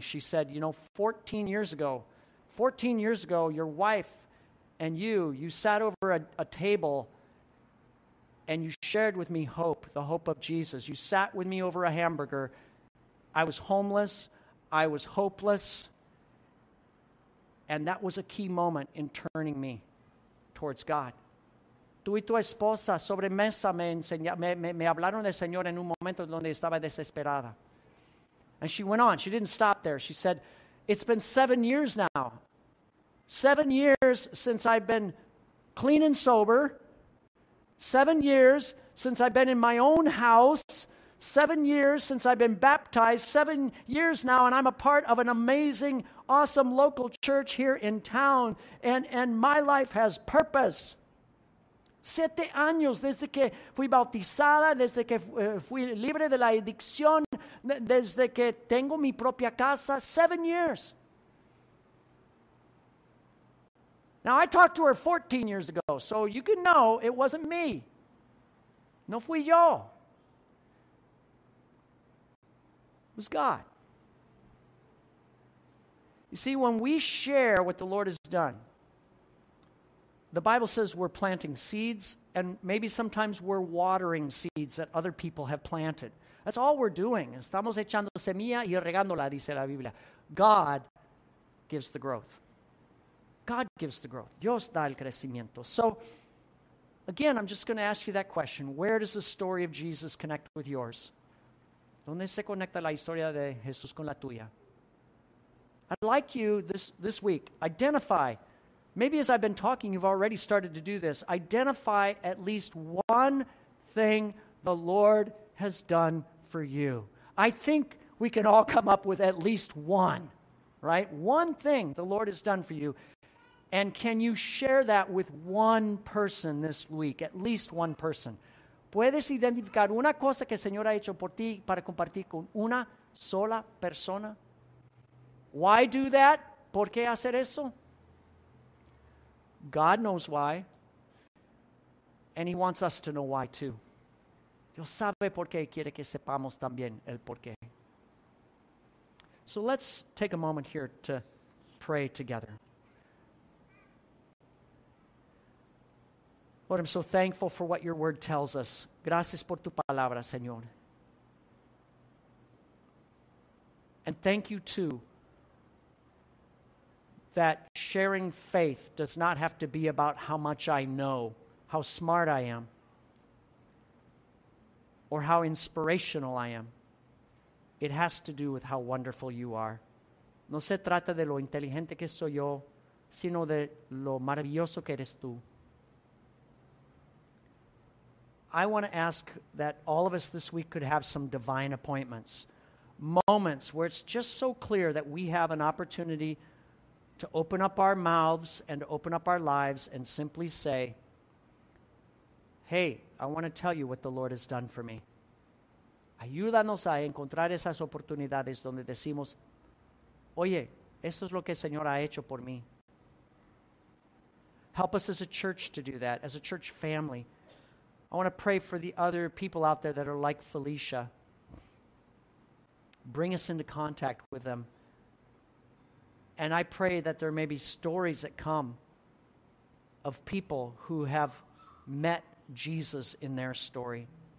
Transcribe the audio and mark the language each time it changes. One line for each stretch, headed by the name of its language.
English: She said, "You know, 14 years ago, your wife and you sat over a table and you shared with me hope, the hope of Jesus. You sat with me over a hamburger. I was homeless. I was hopeless. And that was a key moment in turning me towards God.
Spanish: Tú y tu esposa sobre mesa me hablaron del Señor en un momento donde estaba desesperada."
English: And she went on. She didn't stop there. She said, "It's been 7 years now. 7 years since I've been clean and sober. 7 years since I've been in my own house. 7 years since I've been baptized. 7 years now, and I'm a part of an amazing, awesome local church here in town. And my life has purpose.
Spanish: 7 años desde que fui bautizada, desde que fui libre de la adicción, desde que tengo mi propia casa.
English: 7 years. Now, I talked to her 14 years ago, so you can know it wasn't me.
Spanish: No fui yo.
English: It was God. You see, when we share what the Lord has done, the Bible says we're planting seeds, and maybe sometimes we're watering seeds that other people have planted. That's all we're doing.
Spanish: Estamos echando semilla y regándola, dice la Biblia.
English: God gives the growth. God gives the growth.
Spanish: Dios da el crecimiento.
English: So, again, I'm just going to ask you that question. Where does the story of Jesus connect with yours?
Spanish: ¿Dónde se conecta la historia de Jesús con la tuya?
English: I'd like you this week, identify, maybe as I've been talking, you've already started to do this, identify at least one thing the Lord has done for you. I think we can all come up with at least one, right? One thing the Lord has done for you. And can you share that with one person this week, at least one person?
Spanish: ¿Puedes identificar una cosa que el Señor ha hecho por ti para compartir con una sola persona?
English: Why do that?
Spanish: ¿Por qué hacer eso?
English: God knows why, and he wants us to know why too.
Spanish: Dios sabe por qué y quiere que sepamos también el por qué.
English: So let's take a moment here to pray together. Lord, I'm so thankful for what your word tells us.
Spanish: Gracias por tu palabra, Señor.
English: And thank you too that sharing faith does not have to be about how much I know, how smart I am, or how inspirational I am. It has to do with how wonderful you are.
Spanish: No se trata de lo inteligente que soy yo, sino de lo maravilloso que eres tú.
English: I want to ask that all of us this week could have some divine appointments, moments where it's just so clear that we have an opportunity to open up our mouths and to open up our lives and simply say, hey, I want to tell you what the Lord has done for me.
Spanish: Ayúdanos a encontrar esas oportunidades donde decimos, oye, esto es lo que el Señor ha hecho por mí.
English: Help us as a church to do that, as a church family. I want to pray for the other people out there that are like Felicia. Bring us into contact with them. And I pray that there may be stories that come of people who have met Jesus in their story.